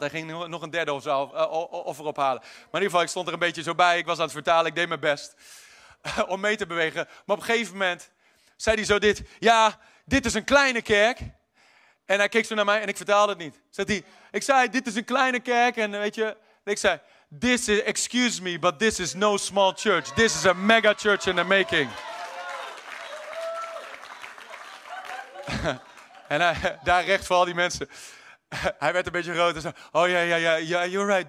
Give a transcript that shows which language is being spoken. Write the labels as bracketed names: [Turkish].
[Dutch] Hij ging nog een 3e offer ophalen. Maar in ieder geval, ik stond er een beetje zo bij. Ik was aan het vertalen, ik deed mijn best. Om mee te bewegen. Maar op een gegeven moment zei hij zo dit. Ja, dit is een kleine kerk. En hij keek zo naar mij en ik vertaalde het niet. Zegt hij, ik zei, dit is een kleine kerk. En weet je, ik zei, [English] this is, excuse me, but this is no small church. This is a mega church in the making. [Dutch] En hij, daar recht voor al die mensen. Hij werd een beetje rood en zei, oh ja, ja, ja, ja, [English] you're right.